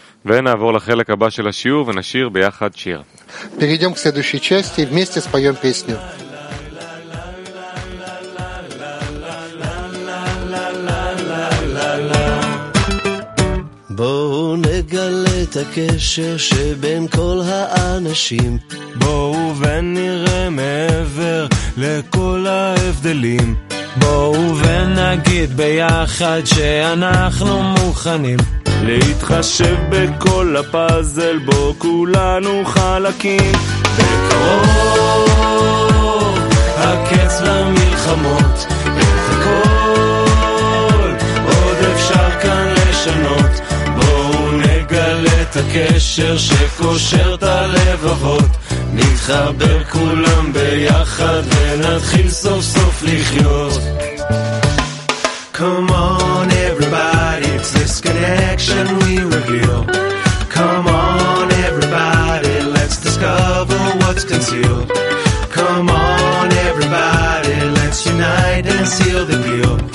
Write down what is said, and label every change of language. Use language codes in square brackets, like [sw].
[he] ונעבור לחלק הבא של השיעור ונשיר ביחד שיר. [ru] Перейдем к следующей части, вместе споем песню. [he] בואו נגלה את הקשר שבין כל האנשים, בואו ונראה מעבר לכל ההבדלים, בואו ונגיד ביחד שאנחנו מוכנים להתחשב בכל הפאזל בו כולנו חלקים. בקרוב הקץ למלחמות, את הכל עוד אפשר כאן לשנות, בואו נגלה את הקשר שקושר את הלבבות, נתחבר כולם ביחד ונתחיל סוף סוף לחיות. [en] Come on everybody, it's this connection we reveal. Come on everybody, let's discover what's concealed. Come on everybody, let's unite and seal the deal.